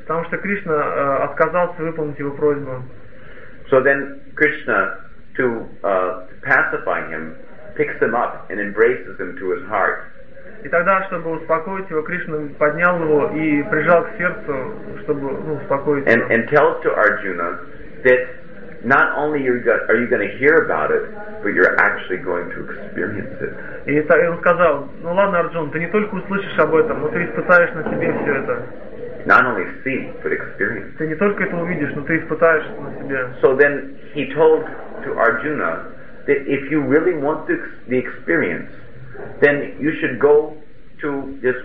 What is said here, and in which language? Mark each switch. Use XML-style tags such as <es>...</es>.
<ru>Потому что Кришна отказался выполнить его просьбу.</ru> <en>So then Krishna to pacify him picks him up and embraces him to his heart.</en> <ru>И тогда, чтобы успокоить его, Кришна поднял его и прижал к сердцу, чтобы успокоить его.</ru> <en>And tells to Arjuna that not only are you going to hear about it, but you're actually going to experience it.</en> <ru>И он сказал, ну ладно, Арджун, ты не только услышишь об этом, но ты испытаешь на себе все это.</ru> <en>Not only see, but experience.</en> <ru>Ты не только это увидишь, но ты испытаешь на себе.</ru> <en>So then he told to Arjuna that if you really want the experience, then you should go to this.</en>